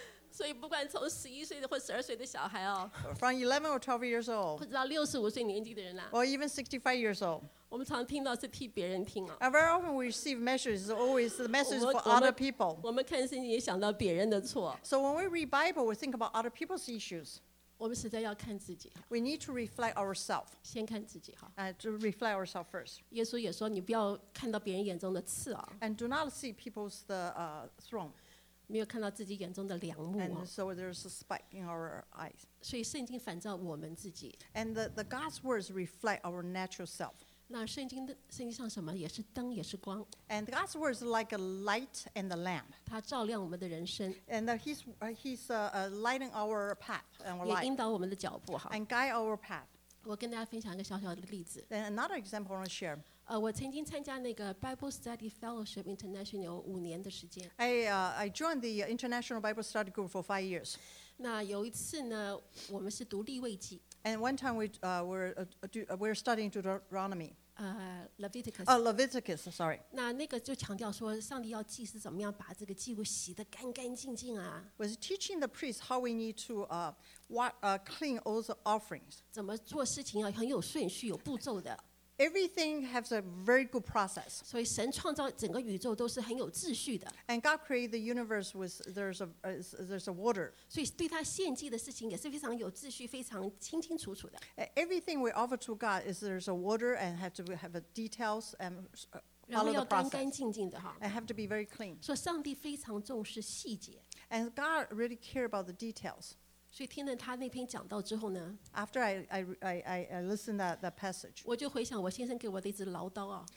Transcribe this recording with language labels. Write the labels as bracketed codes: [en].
[zh] 所以不管从十一岁的或十二岁的小孩哦 [en] ，from 11 or 12 years old， [zh] 或者到六十五岁年纪的人啦 [en] ，or even 65 years old。 [zh] 我们常听到是替别人听啊。 [en] And very often we receive messages, always the message for other people. [zh] 我们看圣经也想到别人的错。 [en] So when we read Bible, we think about other people's issues. [zh] 我们实在要看自己。 [en] We need to reflect ourselves. [zh] 先看自己哈。 [en] To reflect ourselves first. [zh] 耶稣也说，你不要看到别人眼中的刺啊。 [en] And do not see people's the thorn. [zh] 没有看到自己眼中的梁木啊。 [en] And so there's a spike in our eyes. [zh] 所以圣经反照我们自己。 [en] And the God's words reflect our natural self. [zh] 那圣经上什么也是灯也是光 [en] ，and God's word is like a light and a lamp. [zh] 它照亮我们的人生 [en] ，and He's lighting our path and our life. [zh] 也引导我们的脚步哈 [en] ，and guide our path. [zh] 我跟大家分享一个小小的例子 [en] ，and another example I want to share. [zh] 我曾经参加那个 Bible Study Fellowship International 五年的时间。 [en] I joined the International Bible Study Group for 5 years. [zh] 那有一次呢，我们是读立位记。 [en] And one time we were studying Deuteronomy. Leviticus. Leviticus. Sorry. [zh] 那个就强调说，上帝要祭司怎么样把这个祭物洗得干干净净啊。 [en] Was teaching the priests how we need to clean all the offerings. [zh] 怎么做事情要很有顺序、有步骤的。 [en] Everything has a very good process. [zh] 所以神创造整个宇宙都是很有秩序的。 [en] And God created the universe with there's a order. [zh] 所以对他献祭的事情也是非常有秩序、非常清清楚楚的。 [en] Everything we offer to God is there's a order and have to have a details and follow the process. [zh] 然后要干干净净的哈。 [en] And have to be very clean. [zh] 所以上帝非常重视细节。 [en] And God really cares about the details. [zh] 所以听了他那篇讲道之后呢 [en] ，After I listened to that passage， [zh] 我就回想我先生给我的一支唠叨啊。